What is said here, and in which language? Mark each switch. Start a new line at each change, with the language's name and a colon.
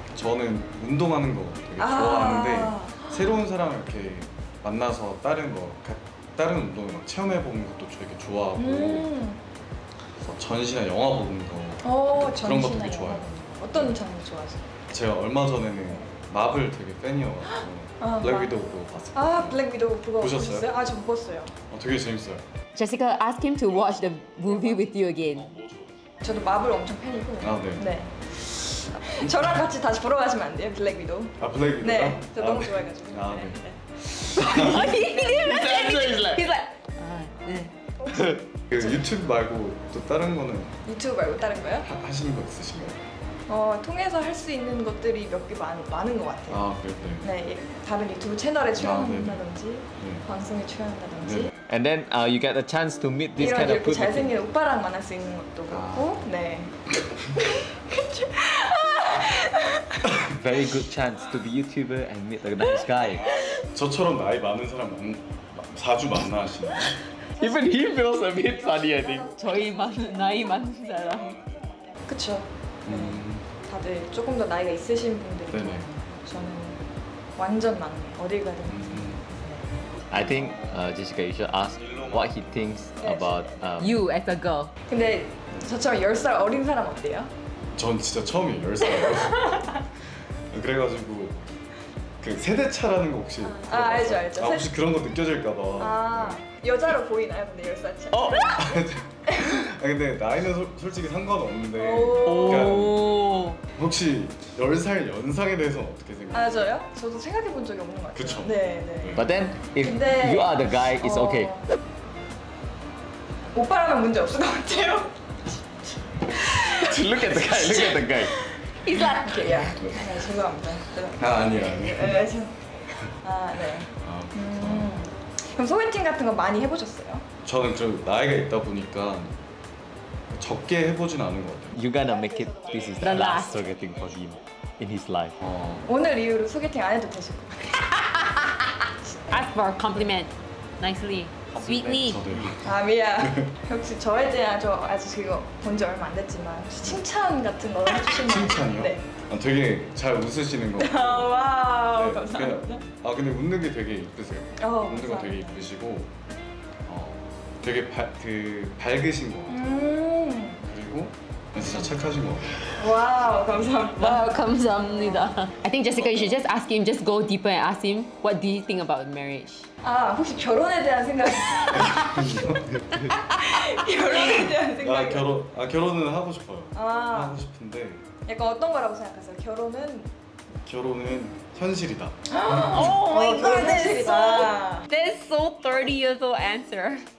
Korean: 저는 운동하는 거 되게 좋아하는데 새로운 사람을 이렇게 만나서 다른 운동을 막 체험해 보는 것도 되게 좋아하고 전시나 영화 보는 거 그런 것도 되게 좋아해요. 어떤 장르 좋아하세요? 제가 얼마 전에는 마블 되게 팬이어서 Black Widow 그거 봤어요. 아, Black Widow 그거 보셨어요? 보셨어요? 아, 저 못 봤어요. 어, 되게 재밌어요.
English: Jessica, ask him to watch the movie with you again.
Korean: 어, 저도 마블 엄청 팬이고. 아, 네. 네. 저랑 같이 다시 보러 가시면 안 돼요, Black Widow? 아, Black Widow? 네, 아, 저 아, 너무 아, 좋아해가지고. 네.
English: He's like, he's like. 아, 네.
Korean: 그 유튜브 말고 또 다른 거는? 유튜브 말고 다른 거요? 하시는 거 있으신가요? 어, 통해서 할 수 있는 것들이 몇 개 많은 것 같아요. 아, 그래요? 네. 네, 다른 유튜브 채널에 출연한다든지, 아, 네. 방송에 출연한다든지. 네.
English: And then you get a chance to meet this kind of people.
Korean: 이렇게 잘생긴 오빠랑 만날 수 있는 것도 그렇고, 아. 네.
English: Very good chance to be YouTuber and meet a nice guy.
Korean: 저처럼 나이 많은 사람 자주 만나시나요?
English: Even he feels a bit funny, I think.
Korean: 저희 나이 많은 사람. 그렇죠. 다들 조금 더 나이가 있으신 분들이고 네네. 저는 완전 맞네. 어딜 가든.
English: I think Jessica, you should ask what he thinks about you as a girl.
Korean: 근데 저처럼 10살 어린 사람 어때요? 전 진짜 처음이에요, 10살. 그래가지고 그 세대차라는 거 혹시 아, 알죠, 알죠. 아, 혹시 그런 거 느껴질까 봐. 아, 여자로 보이나요, 근데 10살 차? 어? 아, 근데 나이는 솔직히 상관없는데 그냥 혹시 10살 연상에 대해서 어떻게 생각해요? 아, 저요? 저도 생각해 본 적이 없는 것 같아요. 그쵸? 네, 네.
English: But then, if 근데, you are the guy, it's okay.
Korean: 오빠라면 문제 없을 것 같아요.
English: Look at the guy, look at the guy. He's like, okay, yeah.
Korean: 네, 죄송합니다. 아, 아니요, 아니요. 아, 네. 아, 네. 그럼 소개팅 같은 거 많이 해보셨어요? 저는 좀 나이가 있다 보니까 적게 해보진 않은 것 같아요.
English: You gonna make it, this is the last soggeting for him in his life.
Korean: 어. 오늘 이후로 소개팅 안 해도 되실 것 같아요.
English: Ask for a compliment. Nicely. Sweetly.
Korean: 아, 미안. 역시 저에 대한 저 아직 그거 본 지 얼마 안 됐지만 혹시 칭찬 같은 거 해주시면 칭찬이요? 네. 아, 되게 잘 웃으시는 것 같아요. 와우, 네, 감사합니다. 그냥, 아, 근데 웃는 게 되게 이쁘세요. 웃는 거 되게 이쁘시고 되게 그 밝으신 것 같아요. 그리고 진짜 착하신 것 같아요. 와우, 감사합니다. 와우, 감사합니다. I think Jessica, you should just ask him, just go deeper and ask him, what do you think about marriage? 아, 혹시 결혼에 대한 생각이 결혼에 대한 생각이 결혼은 하고 싶어요. 아. 하고 싶은데 약간 어떤 거라고 생각하세요? 결혼은 현실이다.
English: 오 마이 갓,
Korean: 현실이다.
English: That's so 30 years old answer.